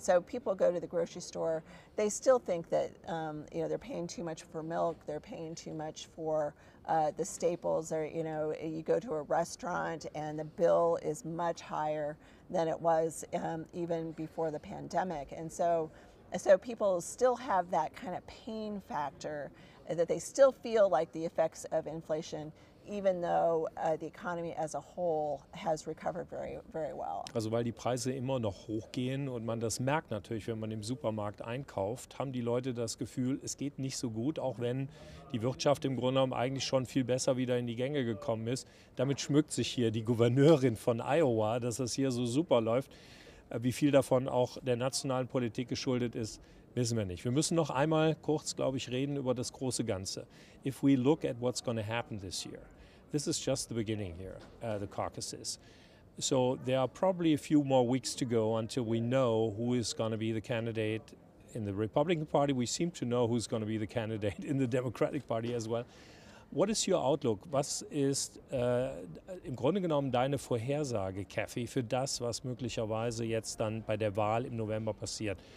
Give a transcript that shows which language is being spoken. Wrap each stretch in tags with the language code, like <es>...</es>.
<en>So people go to the grocery store, they still think that you know, they're paying too much for milk, they're paying too much for the staples, or you know, you go to a restaurant and the bill is much higher than it was even before the pandemic. And so people still have that kind of pain factor that they still feel like the effects of inflation, even though the economy as a whole has recovered very, very well.</en> <de>Also weil die Preise immer noch hochgehen und man das merkt natürlich, wenn man im Supermarkt einkauft, haben die Leute das Gefühl, es geht nicht so gut, auch wenn die Wirtschaft im Grunde genommen eigentlich schon viel besser wieder in die Gänge gekommen ist. Damit schmückt sich hier die Gouverneurin von Iowa, dass das hier so super läuft. Wie viel davon auch der nationalen Politik geschuldet ist, wissen wir nicht. Wir müssen noch einmal kurz, glaube ich, reden über das große Ganze.</de> <en>If we look at what's going to happen this year, this is just the beginning here, the caucuses. So there are probably a few more weeks to go until we know who is going to be the candidate in the Republican Party. We seem to know who's going to be the candidate in the Democratic Party as well. What is your outlook?</en> <de>Was ist im Grunde genommen deine Vorhersage, Kathie, für das, was möglicherweise jetzt dann bei der Wahl im November passiert?</de>